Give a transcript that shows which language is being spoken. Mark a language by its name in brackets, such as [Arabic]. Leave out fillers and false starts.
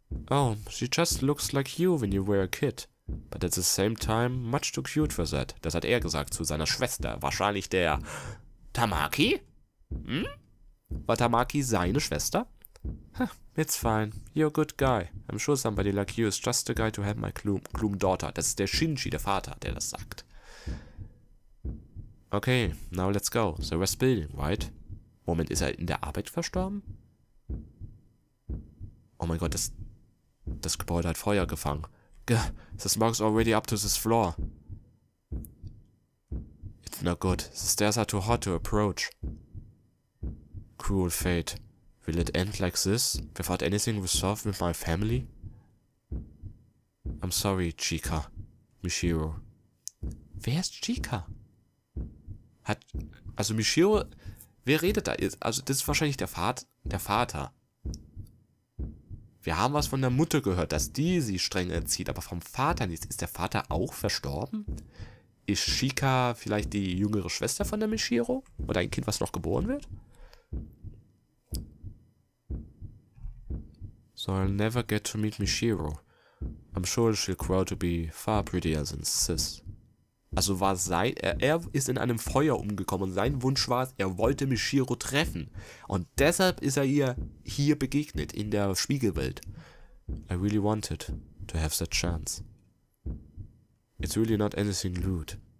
[English] Oh, she just looks like you when you were a kid. But at the same time, much too cute for that. [German] Das hat er gesagt zu seiner Schwester. Wahrscheinlich der Tamaki? Hm? War Tamaki seine Schwester? [English] Huh, it's fine. You're a good guy. I'm sure somebody like you is just the guy to have my gloom daughter. [German] Das ist der Shinji, der Vater, der das sagt. [English] Okay, now let's go. The rest building, right? [German] Moment, ist er in der Arbeit verstorben? Oh mein Gott, das Gebäude hat Feuer gefangen. [English] Gah, the smoke's already up to this floor. It's not good. The stairs are too hot to approach. Cruel fate. Will it end like this? Without anything resolved with my family? I'm sorry, Chika. Mishiro. [German] Wer ist Chika? Also Mishiro, wer redet da jetzt? Also das ist wahrscheinlich der Vater. Wir haben was von der Mutter gehört, dass die sie streng erzieht, aber vom Vater nichts. Ist der Vater auch verstorben? Ist Chika vielleicht die jüngere Schwester von der Mishiro? Oder ein Kind, was noch geboren wird? [English] So I'll never get to meet Mishiro. I'm sure she'll grow to be far prettier than Sis. [German] Also war sein, er ist in einem Feuer umgekommen und sein Wunsch war es, er wollte Mishiro treffen. Und deshalb ist er ihr hier begegnet, in der Spiegelwelt. [English] I really wanted to have that chance. It's really not anything lewd.